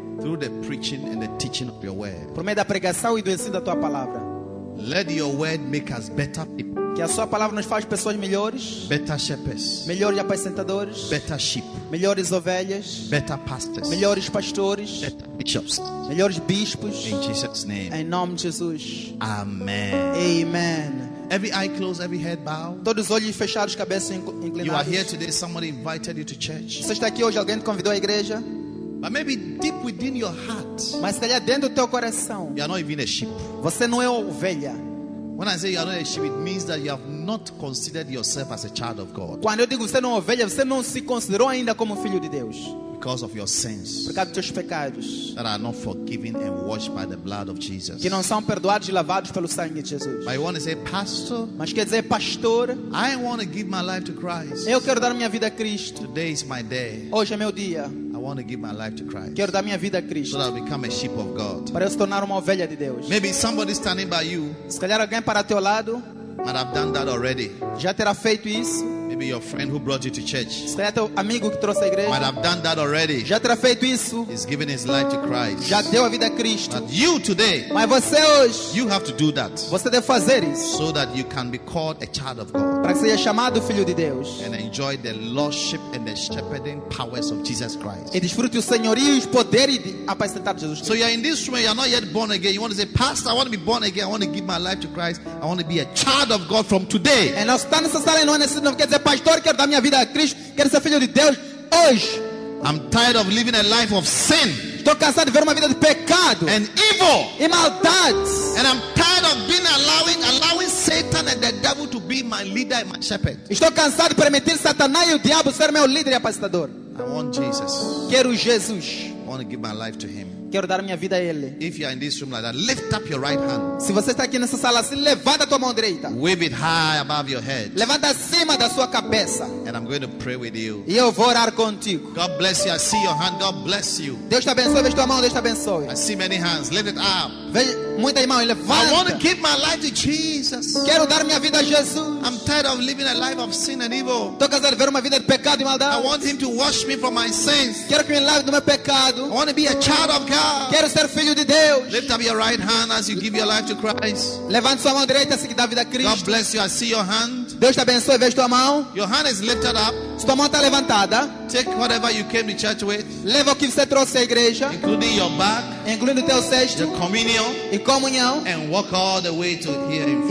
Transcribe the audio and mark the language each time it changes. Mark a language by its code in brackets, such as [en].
[en] Through the preaching and the teaching of your word. [pt] Por meio da pregação e do ensino da tua palavra. [en] Let your word make us better people. [pt] Que a sua palavra nos faz pessoas melhores. [en] Better shepherds. [pt] Melhores apacentadores. [en] Better sheep. [pt] Melhores ovelhas. [en] Better pastors. [pt] Melhores pastores. [en] Better bishops. [pt] Melhores bispos. [en] In Jesus' name. [pt] Em nome de Jesus. [en] Amen. [pt] Amen. [en] Every eye closed, every head bowed. [pt] Todos os olhos fechados, cabeça inclinada. [en] You are here today. Somebody invited you to church. [pt] Você está aqui hoje? Alguém te convidou à igreja? [en] But maybe deep within your heart, [pt] mas seja dentro do teu coração, [en] you are not even a sheep. [pt] Você não é ovelha. [en] When I say you are not a sheep, it means that you have not considered yourself as a child of God. [pt] Quando eu digo você não é ovelha, você não se considerou ainda como filho de Deus. [en] Because of your sins, [pt] por causa dos teus pecados, [en] that are not forgiven and washed by the blood of Jesus, [pt] que não são perdoados e lavados pelo sangue de Jesus. [en] But you want to say, Pastor, [pt] mas quer dizer, Pastor, [en] I want to give my life to Christ. [pt] Eu quero dar minha vida a Cristo. [en] Today is my day. [pt] Hoje é meu dia. [en] I want to give my life to Christ. [pt] Quero dar minha vida a Cristo. [en] So that I become a sheep of God. [pt] Para eu se tornar uma ovelha de Deus. [en] Maybe somebody standing by you. [pt] Se calhar alguém para teu lado. [en] And I've done that already. [pt] Já terá feito isso. [en] Maybe your friend who brought you to church. [pt] Se calhar teu amigo que trouxe à igreja. [en] Might have done that already. [pt] Já terá feito isso. [en] He's given his life to Christ. [pt] Já deu a vida a Cristo. [en] But you today. [pt] Mas você hoje. [en] You have to do that. [pt] Você deve fazer isso. [en] So that you can be called a child of God. [pt] Para que seja chamado filho de Deus. [en] And enjoy the lordship and the shepherding powers of Jesus Christ. [pt] E desfrute o senhorio e os poderes de apacentar Jesus Cristo. [en] So you're in this room. You're not yet born again. You want to say, Pastor, I want to be born again. I want to give my life to Christ. I want to be a child of God from today. [pt] E nós estamos nessa sala e não é necessário que dizer, Pastor, quero dar minha vida a Cristo, quero ser filho de Deus hoje. [en] I'm tired of living a life of sin. [pt] Estou cansado de ver uma vida de pecado. [en] And evil. [pt] E maldade. [en] And I'm tired of being allowing Satan and the devil to be my leader and my shepherd. [pt] Estou cansado de permitir Satanás e o diabo ser meu líder e apacentador. [en] I want Jesus. [pt] Quero Jesus. [en] I want to give my life to him. [pt] Quero dar minha vida a ele. [en] If you are in this room like that, lift up your right hand. [pt] Se você está aqui nessa sala assim, levanta a tua mão direita. [en] Wave it high above your head. [pt] Levanta acima da sua cabeça. [en] And I'm going to pray with you. [pt] E eu vou orar contigo. [en] God bless you. I see your hand. God bless you. [pt] Deus te abençoe. Veja tua mão. Deus te abençoe. [en] I see many hands. Lift it up. [pt] Veja muita mão. Levanta. [en] I want to give my life to Jesus. [pt] Quero dar minha vida a Jesus. [en] I'm tired of living a life of sin and evil. [pt] Tô cansado de ver uma vida de pecado e maldade. [en] I want him to wash me from my sins. [pt] Quero que me lave do meu pecado. [en] I want to be a child of God. [pt] Quero ser filho de Deus. [en] Lift up your right hand as you give your life to Christ. [pt] Levante sua mão direita assim que dá vida a Cristo. [en] God bless you. I see your hand. [pt] Deus te abençoe. Veja tua mão. [en] Your hand is lifted up. [pt] Sua mão está levantada. [en] Take whatever you came to church with. [pt] Leva o que você trouxe à igreja. [en] Including your bag. [pt] Incluindo teu cesto. [en] The communion. [pt] E comunhão. [en] And walk all the way to here in front.